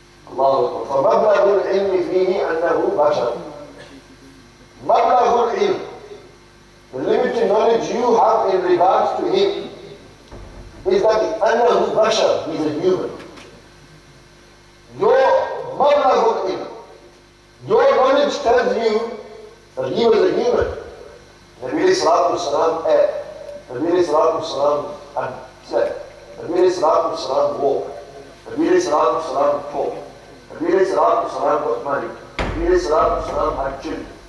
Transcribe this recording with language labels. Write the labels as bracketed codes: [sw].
[ar] Allahu Akbar. فَمَبْلَغُ الْعِلْمِ فِيهِ أَنَّهُ بَشَرٌ مَبْلَغُ الْعِلْمِ. [en] The limited knowledge you have in regards to him is that [ar] أَنَّهُ بَشَرٌ [en] is a human. Your [ar] مَبْلَغُ الْعِلْمِ. [en] Your knowledge tells you that he was a human. Nabi Salatu Salaam ate. Nabi Salatu Salaam said. Nabi Salatu Salaam walked. Nabi Salatu Salaam talked. Nabi Salatu Salaam got money. Nabi Salatu Salaam had children.